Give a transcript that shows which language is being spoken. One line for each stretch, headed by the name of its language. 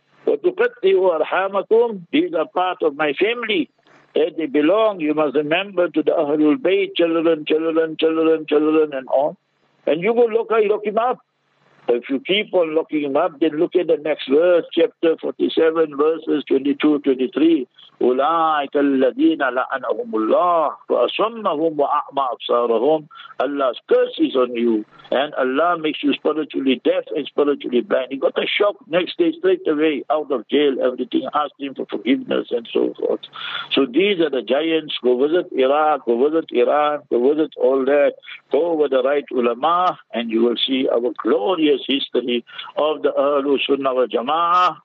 Arabic: Watukattiu arhamakum.
English: These are part of my family. Where they belong, you must remember, to the Ahlul Bayt, children, and all. And you go lock him up. If you keep on locking him up, then look at the next verse, chapter 47, verses 22-23.
Arabic: أولئك الذين لعنهم الله فأصمهم وأعمى أبصارهم.
English: Allah's curse is on you. And Allah makes you spiritually deaf and spiritually blind. He got a shock next day, straight away, out of jail, everything, asked him for forgiveness and so forth. So these are the giants. Go visit Iraq, go visit Iran, go visit all that. Go with the right ulama, and you will see our glorious history of the Ahlu Sunnah wa Jama'ah.